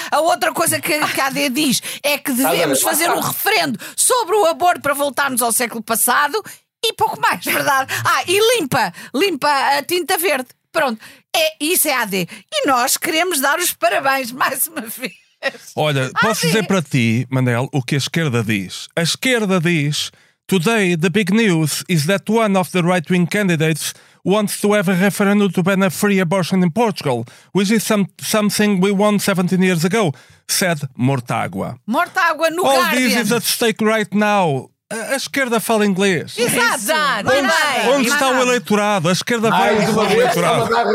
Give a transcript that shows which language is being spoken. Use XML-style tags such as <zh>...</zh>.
<pt>A outra coisa que a AD diz é que devemos fazer um referendo sobre o aborto para voltarmos ao século passado. E pouco mais, verdade? Ah, e limpa a tinta verde. Pronto, isso é a AD. E nós queremos dar os parabéns mais uma vez. Olha, posso dizer para ti, Manel, o que a esquerda diz? A esquerda diz:</pt> <en>"Today the big news is that one of the right-wing candidates wants to have a referendum to ban a free abortion in Portugal, which is something we won 17 years ago," said Mortágua.</en> <pt>Mortágua no</pt> <en>All Guardian. "All this is at stake right now."</en> <pt>A esquerda fala inglês. Exato. Onde está o eleitorado? A esquerda vai usar o eleitorado.</pt>